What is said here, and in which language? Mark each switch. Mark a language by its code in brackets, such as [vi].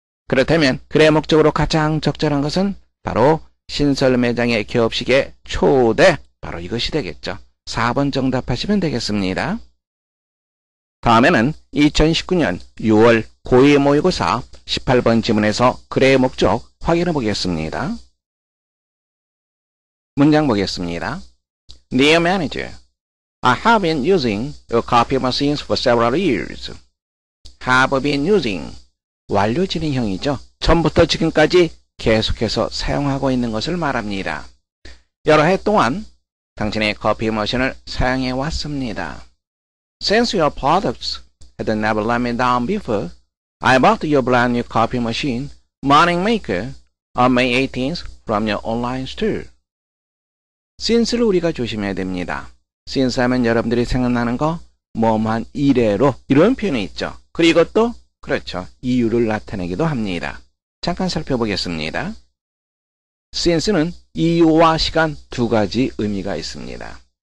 [ko] 그렇다면 글의 목적으로 가장 적절한 것은 바로 신설 매장의 개업식의 초대, 바로 이것이 되겠죠. 4번 정답하시면 되겠습니다. 다음에는 2019년 6월 고의 모의고사 18번 지문에서 글의 목적 확인해 보겠습니다. 문장 보겠습니다. [en] Dear Manager, I have been using your copy machines for several years. Have been using, [ko] 완료 진행형이죠. 처음부터 지금까지 계속해서 사용하고 있는 것을 말합니다. 여러 해 동안 당신의 커피 머신을 사용해 왔습니다. [en] Since your products had never let me down before, I bought your brand new coffee machine, Morning Maker, on May 18th from your online store. [ko] Since를 우리가 조심해야 됩니다. Since 하면 여러분들이 생각나는 거, 뭐만 이래로, 이런 표현이 있죠. 그리고 또, 그렇죠, 이유를 나타내기도 합니다. 잠깐 살펴보겠습니다. since는 이유와 시간 두 가지 의미가 있습니다.